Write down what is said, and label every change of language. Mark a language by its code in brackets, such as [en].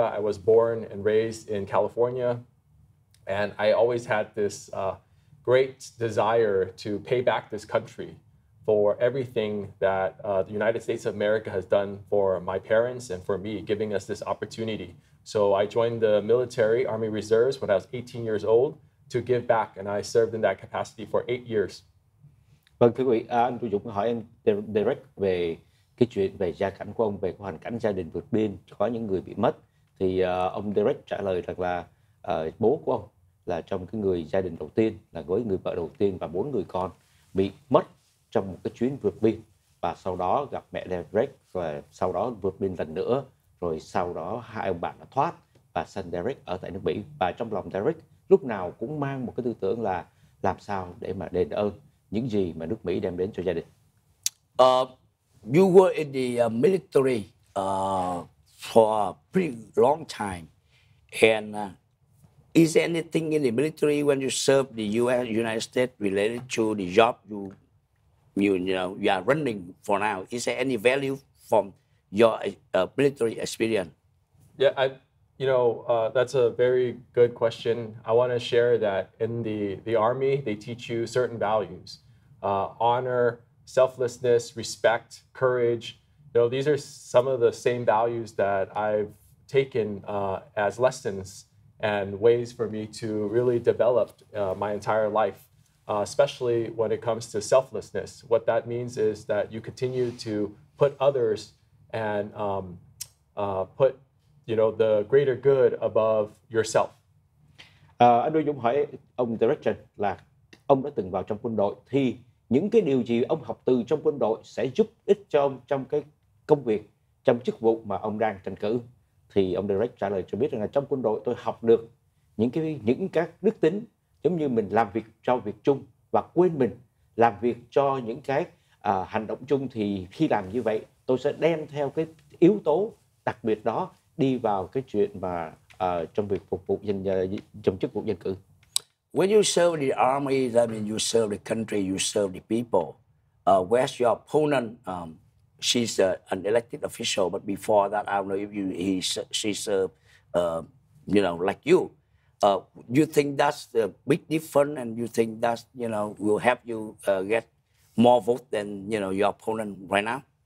[en] I was born and raised in California. And I always had this great desire to pay back this country. for everything that the United States of America has done for my parents and for me, giving us this opportunity. So I joined the military, Army Reserves, when I was 18 years old to give back, and I served in that capacity for 8 years. [vi] Vâng, thưa quý vị, anh Tu Dũng hỏi anh Derek về cái chuyện về gia cảnh của ông, về hoàn cảnh gia đình vượt biên, có những người bị mất. Thì ông Derek trả lời rằng là bố của ông là trong cái người gia đình đầu tiên, là với người vợ đầu tiên và 4 người con bị mất trong một cái chuyến vượt biên, và sau đó gặp mẹ Derek và sau đó vượt biên lần nữa, rồi sau đó hai ông bạn đã thoát và sang Derek ở tại nước Mỹ. Và trong lòng Derek lúc nào cũng mang một cái tư tưởng là làm sao để mà đền ơn những gì mà nước Mỹ đem đến cho gia đình. [en] You were in the military for a pretty long time, and is there anything in the military when you served the U.S. United States related to the job you are running for now? Is there any value from your military experience? Yeah, that's a very good question. I want to share that in the Army, they teach you certain values. Honor, selflessness, respect, courage. You know, these are some of the same values that I've taken as lessons and ways for me to really develop my entire life, especially when it comes to selflessness. What that means is that you continue to put others and put, you know, the greater good above yourself. [vi] Anh Dũng hỏi ông Director là ông đã từng vào trong quân đội, thì những cái điều gì ông học từ trong quân đội sẽ giúp ích cho ông trong cái công việc, trong chức vụ mà ông đang tranh cử? Thì ông Derek trả lời cho biết rằng là trong quân đội tôi học được những các đức tính, giống như mình làm việc cho việc chung và quên mình, làm việc cho những cái hành động chung. Thì khi làm như vậy, tôi sẽ đem theo cái yếu tố đặc biệt đó đi vào cái chuyện mà trong việc phục vụ dân, trong chức vụ dân cử. [en] When you serve the army, that means you serve the country, you serve the people. Where's your opponent? She's an elected official, but before that, I don't know if she served, like you. You think that's the big difference, and you think that, you know, will help you get more vote than, you know, your opponent right now?